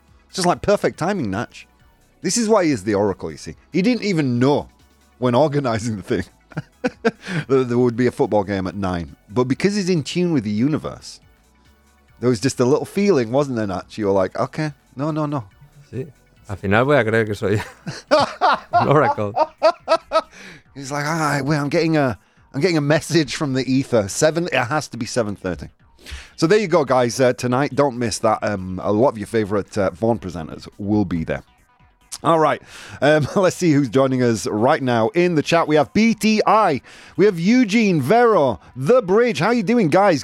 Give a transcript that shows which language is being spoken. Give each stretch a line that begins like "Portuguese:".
English: It's just like perfect timing, Natch. This is why he's the Oracle, you see. He didn't even know when organizing the thing. There would be a football game at 9. But because he's in tune with the universe, there was just a little feeling, wasn't there, Natch? You were like, okay, no.
Spanish: Sí. Al final voy a creer que soy
English: an oracle. He's like, all right, well, I'm getting a message from the ether. It has to be 7:30. So there you go, guys. Tonight, don't miss that. A lot of your favorite Vaughan presenters will be there. All right, let's see who's joining us right now in the chat. We have BTI, we have Eugene, Vero, The Bridge. How are you doing, guys?